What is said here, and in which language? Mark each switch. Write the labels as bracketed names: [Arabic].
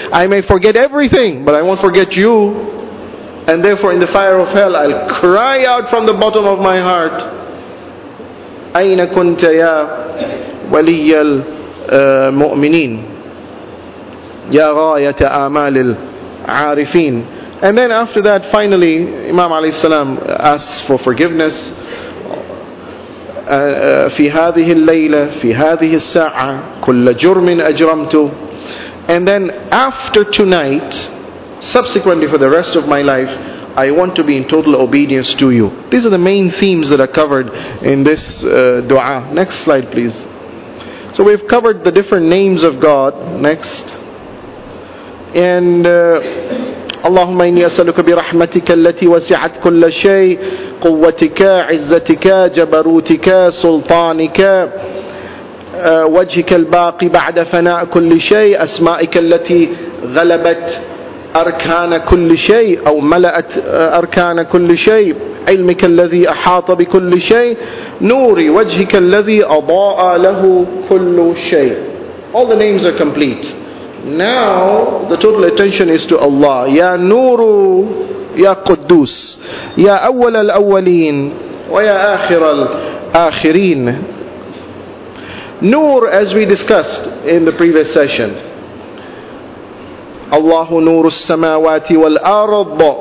[English] I may forget everything, but I won't forget you. And therefore in the fire of hell, I'll cry out from the bottom of my heart, [Arabic] أَيْنَ كُنْتَ يَا وَلِيَّ الْمُؤْمِنِينَ يَا غَايَةَ أَعْمَالِ الْعَارِفِينَ. [English] And then after that, finally, Imam Alayhi Salaam asks for forgiveness. [Arabic] في هذه الليلة في هذه الساعة كل جرم أجرمته. [English] And then after tonight, subsequently for the rest of my life, I want to be in total obedience to you. These are the main themes that are covered in this dua. Next slide, please. So we've covered the different names of God. Next. [Arabic] And اللهم إني أسألك برحمتك التي وسعت كل شيء قوتك عزتك جبروتك سلطانك وجهك الباقي بعد فناء كل شيء أسمائك التي غلبت أركان كل شيء أو ملأت أركان كل شيء علمك الذي أحاط بكل شيء نور وجهك الذي أضاء له كل شيء. [English] All the names are complete. Now the total attention is to Allah. [Arabic] Ya Nuru, Ya Quddus, Ya Awwal al-Awwalin, wa Ya Akhir al-Akhirin. [English] Nur, as we discussed in the previous session, [Arabic] Allahu Nuru al-Samawati wal-Arab.